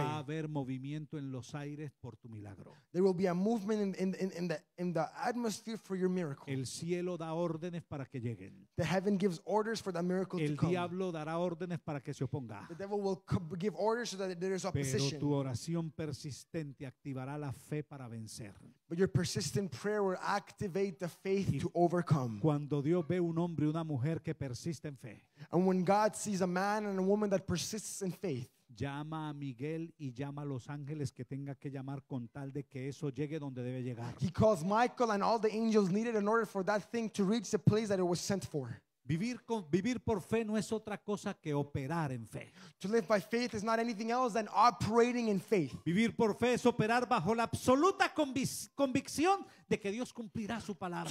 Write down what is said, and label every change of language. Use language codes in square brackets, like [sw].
[es] va a haber movimiento en los aires por tu milagro. [en] There will be a movement in the atmosphere for your miracle. [es] El cielo da órdenes para que lleguen. [en] The heaven gives orders for the miracle [es] El [en] to come. [es] El diablo dará órdenes para que se oponga. [en] The devil will give orders so that there is opposition. [es] Pero tu oración persistente activará la fe para vencer. [en] But your persistent prayer will activate the faith to overcome. [es] Cuando Dios ve un hombre y una mujer que persiste en fe, [en] and when God sees a man and a woman that persists in faith, [es] llama a Miguel y llama a los ángeles que tenga que llamar con tal de que eso llegue donde debe llegar. [en] He calls Michael and all the angels needed in order for that thing to reach the place that it was sent for. [es] Vivir por fe no es otra cosa que operar en fe. [en] To live by faith is not anything else than operating in faith. [es] Vivir por fe es operar bajo la absoluta convicción de que Dios cumplirá su palabra.